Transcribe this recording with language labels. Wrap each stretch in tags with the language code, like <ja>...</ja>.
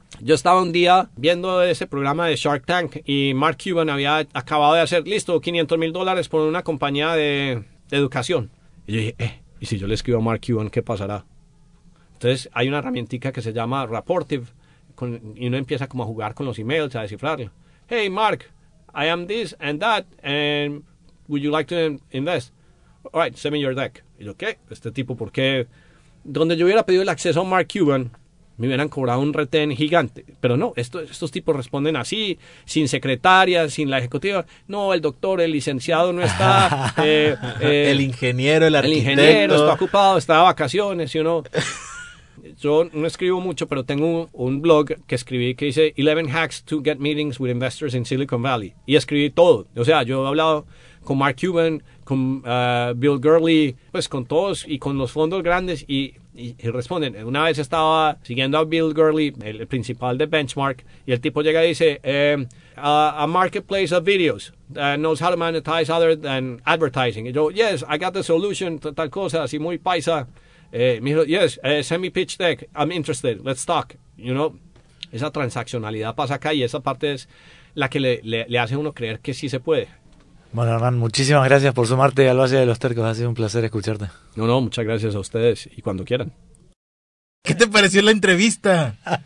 <es>Yo estaba un día viendo ese programa de Shark Tank y Mark Cuban había acabado de hacer, listo, $500,000 por una compañía de educación. Y yo dije, ¿y si yo le escribo a Mark Cuban, qué pasará? Entonces hay una herramientica que se llama Rapportive y uno empieza como a jugar con los emails, a descifrarlo.</es> <en>Hey, Mark, I am this and that and would you like to invest? All right, send me your deck.</en> <es>Y yo, ¿qué? Este tipo, ¿por qué? Donde yo hubiera pedido el acceso a Mark Cuban, me hubieran cobrado un retén gigante. Pero no, estos tipos responden así, sin secretaria, sin la ejecutiva. No, el doctor, el licenciado no está. El ingeniero, el arquitecto. El ingeniero está ocupado, está de vacaciones.</es> <en>You know.</en> <es>Yo no escribo mucho, pero tengo un blog que escribí que dice</es> <en>11 hacks to get meetings with investors in Silicon Valley.</en> <es>Y escribí todo. O sea, yo he hablado con Mark Cuban, con Bill Gurley, pues con todos y con los fondos grandes y responden. Una vez estaba siguiendo a Bill Gurley, el principal de Benchmark, y el tipo llega y dice,</es> <en>a marketplace of videos that knows how to monetize other than advertising.</en> <es>Y yo,</es> <en>yes, I got the solution,</en> <es>tal cosa, así muy paisa. Me dijo,</es> <en>yes, send me pitch deck, I'm interested, let's talk. You know,</en> <es>esa transaccionalidad pasa acá y esa parte es la que le hace uno creer que sí se puede. Bueno, Hernán, muchísimas gracias por sumarte al Valle de los Tercos. Ha sido un placer escucharte. No, muchas gracias a ustedes y cuando quieran. ¿Qué te pareció la entrevista?</es>